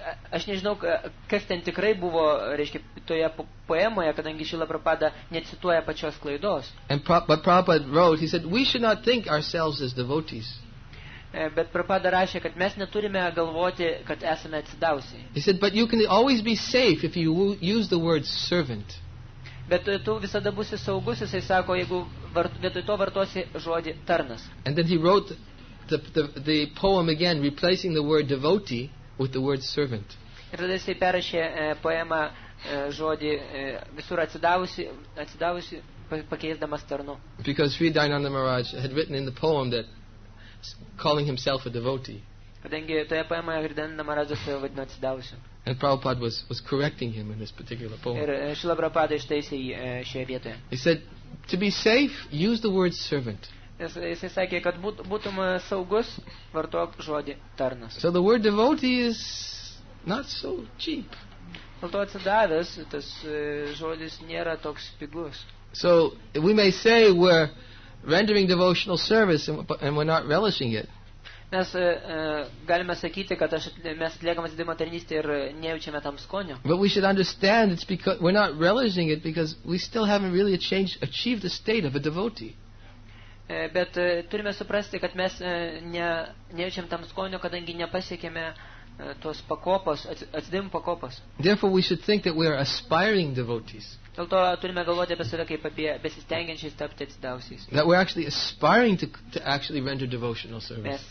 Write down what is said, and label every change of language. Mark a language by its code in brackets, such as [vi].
[lt] Aš nežinau, kas ten tikrai buvo, reiškia, toje poemoje, kadangi Šila Prabhupada necituoja pačios klaidos. [en] But Prabhupada wrote, he said, we should not think ourselves as devotees. [lt] Bet Prabhupada rašė, kad mes neturime galvoti, kad esame atsidavusiai. [en] He said, but you can always be safe if you use the word servant. [lt] Bet tu visada būsi saugus, jisai sako, jeigu vietoj to vartosi žodį tarnas. [en] And then he wrote the poem again, replacing the word devotee with the word servant. [lt] Ir tada jisai perrašė poemą žodį visur atsidavusi, pakeisdamas tarnu. [en] Because Sri Dayananda Maharaj had written in the poem that calling himself a devotee. [lt] Kadangi toje poemoje Dayananda Maharaja save vadino atsidavusiu. [en] And Prabhupada was correcting him in this particular poem. [lt] Ir Šila Prabhupada ištaisė jį šioje vietoje. [en] He said, to be safe, use the word servant. [lt] Jisai sakė, kad būtum saugus, vartok žodį tarnas. [en] So the word devotee is not so cheap. [lt] Dėl to atsidavęs, tas žodis nėra toks pigus. [en] So we may say we're rendering devotional service and we're not relishing it. [lt] Mes galime sakyti, kad mes atliekame atsidavimo tarnystę ir nejaučiame tam skonio. [en] But we should understand it's because we're not relishing it because we still haven't really achieved the state of a devotee. [lt] Bet turime suprasti, kad mes nejaučiame tam skonio, kadangi nepasiekėme tos pakopos, atsidavimo pakopos. [en] Therefore we should think that we are aspiring devotees. [lt] Dėl to turime galvoti apie save kaip apie besistengiančiais tapti atsidavusiais. [en] That we're actually aspiring to actually render devotional service.